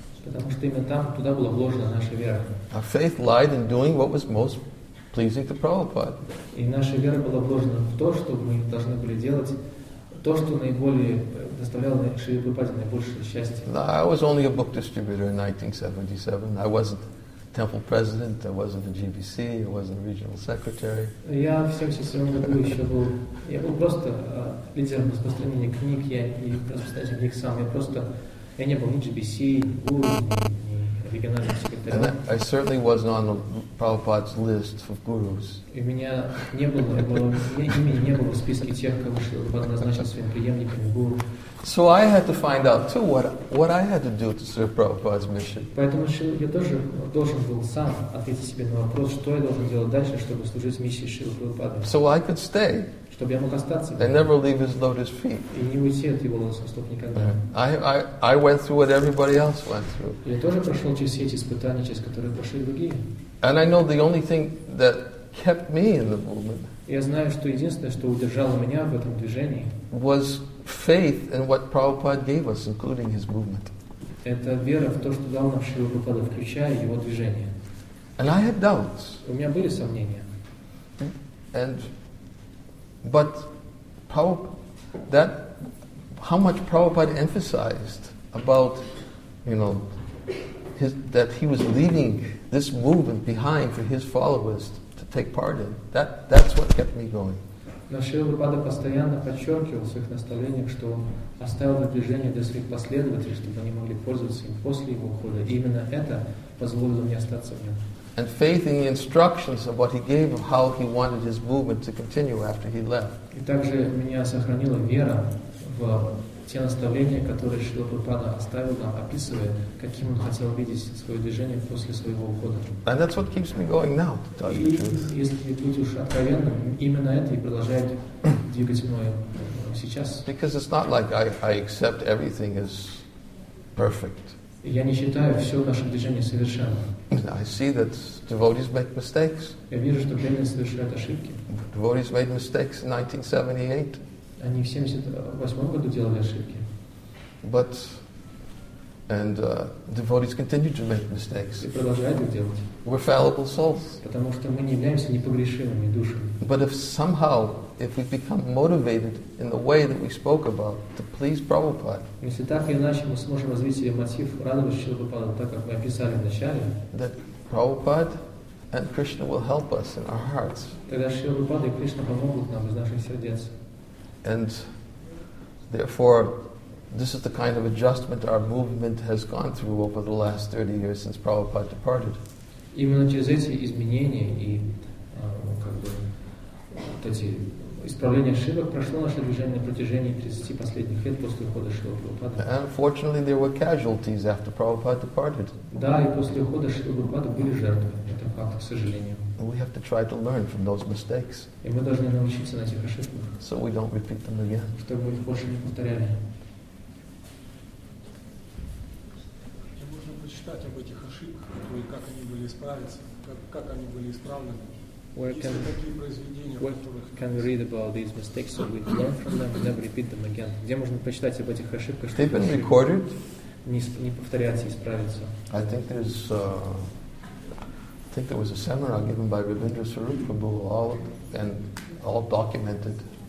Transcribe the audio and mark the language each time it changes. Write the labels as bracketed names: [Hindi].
[Russian] Потому что именно там, туда была вложена наша вера. [English] Our faith lied in doing what was most pleasing to Prabhupada. [Russian] И наша вера была вложена в то, что мы должны были делать, то, что наиболее доставляло Шриле Прабхупаде наибольшее счастье. [English] No, I was only a book distributor in 1977. I wasn't temple president, I wasn't a GBC, I wasn't a regional secretary. [Russian] Я в 1977 году еще был, я был просто лидером распространения книг, я и распространитель книг сам, я просто... Я не был ни GBC, ни региональный секретарь. [English] I certainly wasn't on the Prabhupada's list of gurus. [Russian] И меня не было, имени не было в списке тех, кого Шрила Прабхупада назначил своим преемником гуру. [English] So I had to find out too what I had to do to serve Prabhupada's mission. [Russian] Поэтому я тоже должен был сам ответить себе на вопрос, что я должен делать дальше, чтобы служить миссии Шрила Прабхупада. [English] So I could stay. [Russian] Чтобы я мог остаться. [English] And never leave his lotus feet. [Russian] И не уйти от его лотосных стоп никогда. [English] I went through what everybody else went through. [Russian] Я тоже прошел через все эти испытания, через которые прошли другие. [English] And I know the only thing that kept me in the movement. [Russian] Я знаю, что единственное, что удержало меня в этом движении. [English] Was faith in what Prabhupada gave us, including his movement. [Russian] Это вера в то, что дал нам Шрила Прабхупада, включая его движение. [English] And I had doubts. [Russian] У меня были сомнения. [English] And but how much Prabhupada emphasized about, you know, that he was leaving this movement behind for his followers to take part in. That's what kept me going. [Russian] Но Шрила Прабхупада постоянно подчеркивал в своих наставлениях, что он оставил движение для своих последователей, чтобы они могли пользоваться им после его ухода. И именно это позволило мне остаться в нем. [English] And faith in the instructions of what he gave of how he wanted his movement to continue after he left. [Russian] И также меня сохранила вера в те наставления, которые Шрила Прабхупада оставил нам, описывая, каким он хотел видеть свое движение после своего ухода. [English] And that's what keeps me going now, to tell you the truth. [Russian] Если быть уж откровенным, именно это и продолжает двигать мною сейчас. [English] Because it's not like I accept everything as perfect. [Russian] Я не считаю все наше движение совершенным. [English] I see that devotees make mistakes. [Russian] Я вижу, что преданные совершают ошибки. [English] Devotees made mistakes in 1978. [Russian] Они в 1978 году делали ошибки. [English] But And devotees continue to make mistakes. [Russian] И продолжают их делать. [English] We're fallible souls. [Russian] Потому что мы не являемся непогрешимыми душами. [English] But if somehow, if we become motivated in the way that we spoke about, to please Prabhupada, [Russian] если так или иначе мы сможем развить себе мотив радовать Шрилу Прабхупаду, так как мы описали в начале, [English] that Prabhupada and Krishna will help us in our hearts. [Russian] Тогда Шрила Прабхупада и Кришна помогут нам из наших сердец. [English] And therefore, this is the kind of adjustment our movement has gone through over the last 30 years since Prabhupada departed. [Russian] Именно через эти изменения и как бы вот эти исправления ошибок прошло наше движение на протяжении 30 последних лет после ухода Шрилы Прабхупады. [English] And unfortunately, there were casualties after Prabhupada departed. [Russian] Да, и после ухода Шрилы Прабхупады были жертвы. Это факт, к сожалению. [English] We have to try to learn from those mistakes. [Russian] И мы должны научиться на этих ошибках. [English] So we don't repeat them again. [Russian] Чтобы мы их больше не повторяли. Об этих ошибках, и как они были исправиться, как они были исправлены. Есть ли такие произведения, в которых... [English] Where can we read about these mistakes so we can learn from them and never repeat them again? [Russian] Где можно почитать об этих ошибках, чтобы [English] been recorded? [Russian] Не повторяться и исправиться? [English] I think there's... I think there was a seminar given by Ravindra Swarup Prabhu and all documented.